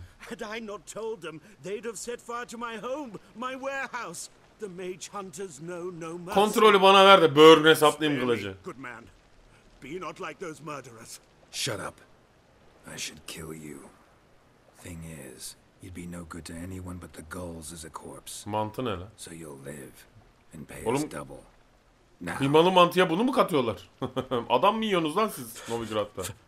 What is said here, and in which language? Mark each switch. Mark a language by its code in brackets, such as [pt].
[en] Had I not told them, they'd have set fire to my home, my warehouse. The mage hunters know no mercy. [tr] Kontrolü bana ver de böğrüne saplayayım kılıcı. [en] Good man. Be not like those murderers. Shut up. I should kill you. Thing is, you'd be no good to anyone but the gulls as a corpse. [tr] Mantı ne lan? [en] So you'll live and pay us double. Now. [tr] Kıymalı mantıya bunu mu katıyorlar? Adam mı yiyorsunuz lan siz Novigrad'da?